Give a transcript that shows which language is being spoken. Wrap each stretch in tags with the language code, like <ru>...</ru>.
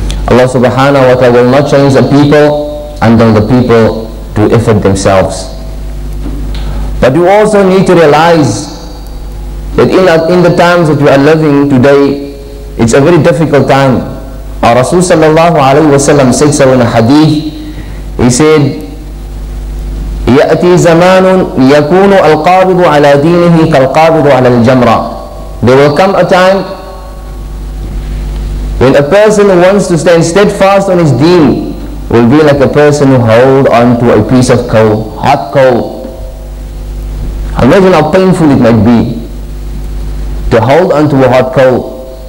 <en>Allah subhanahu wa ta'ala will not change the people until the people do effort themselves. But you also need to realize that in the times that we are living today, it's a very difficult time. Our Rasul sallallahu alayhi wa sallam said so in a hadith. He said,</en> <ar>يأتي زمان يكون القابض على دينه كالقابض على الجمرة.</ar> <en>There will come a time when a person who wants to stand steadfast on his deen will be like a person who holds on to a piece of coal, hot coal. Imagine how painful it might be to hold on to a hot coal.</en>